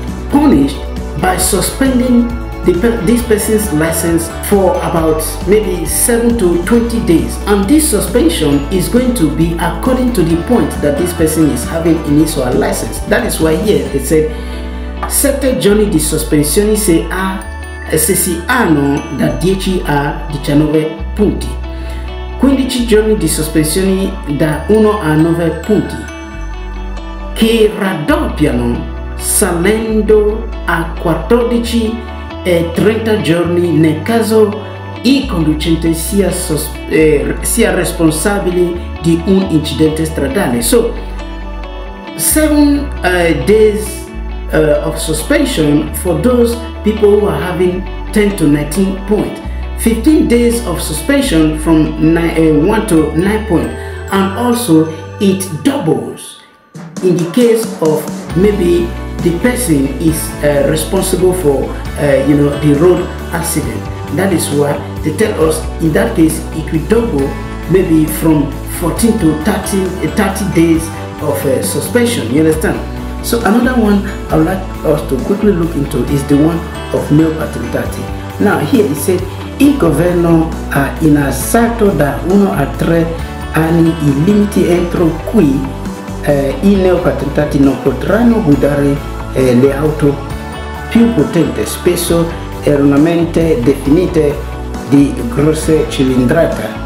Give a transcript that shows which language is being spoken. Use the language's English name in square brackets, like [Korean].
[English] punished by suspending this person's license for about maybe 7 to 20 days, and this suspension is going to be according to the point that this person is having in his or her license. [Italian] That is why here it said 7 giorni di sospensione se ha se hanno da 10 a 19 punti, 15 giorni di sospensione da 1 a 9 punti che raddoppiano salendo a 14 e 30 giorni nel caso il conducente sia sia responsabile di un incidente stradale. [English] So 7 days of suspension for those people who are having 10 to 19 points, 15 days of suspension from 1 to 9 points, and also it doubles in the case of maybe the person is responsible for the road accident. That is why they tell us in that case it will double maybe from 14 to 30 days of suspension. You understand? So another one I would like us to quickly look into is the one of mail patentati. Now here it said [Italian] il governo ha innalzato da 1 a 3 anni i limiti entro cui i neopatentati non potranno guidare le auto più potenti, spesso erroneamente definite di grosse cilindrata.